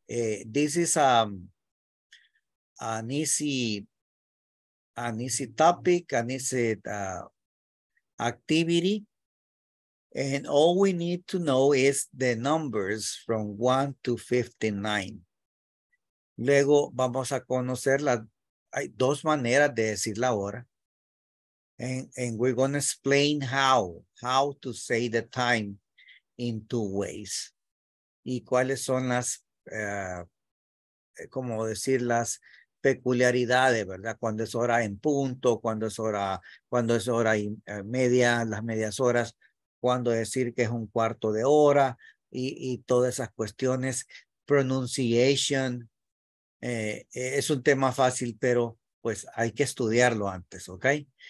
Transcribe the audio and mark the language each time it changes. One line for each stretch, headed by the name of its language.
English: This is an easy topic, an easy activity. And all we need to know is the numbers from 1 to 59.
Spanish: Luego vamos a conocer hay dos maneras de decir la hora.
English: And we're going to explain how to say the time in two ways.
Spanish: Y cuáles son las, como decir, las peculiaridades, ¿verdad? Cuando es hora en punto, cuando es hora y media, las medias horas. Cuando decir que es un cuarto de hora y todas esas cuestiones, pronunciation, es un tema fácil, pero pues hay que estudiarlo antes, ¿ok?